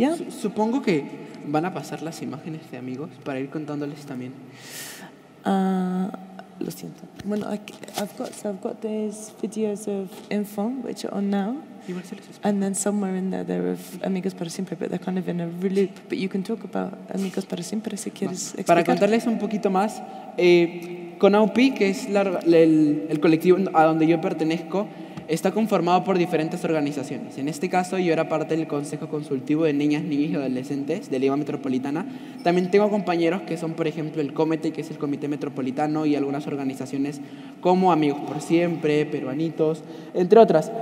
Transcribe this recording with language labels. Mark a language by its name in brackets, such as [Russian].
[Spanish] Supongo que van a pasar las imágenes de amigos para ir contándoles también. Lo siento. [English] Bueno, I've got these videos of InFong, which are on now. And then somewhere in there, there are Amigos para Siempre, but they're kind of in a loop. But you can talk about Amigos para Siempre [Spanish] si quieres explicar. Para contarles un poquito más, con AUPI, que es el colectivo a donde yo pertenezco, está conformado por diferentes organizaciones. En este caso, yo era parte del Consejo Consultivo de Niñas, Niños y Adolescentes de Lima Metropolitana. También tengo compañeros que son, por ejemplo, el COMETE, que es el Comité Metropolitano, y algunas organizaciones como Amigos por Siempre, Peruanitos, entre otras.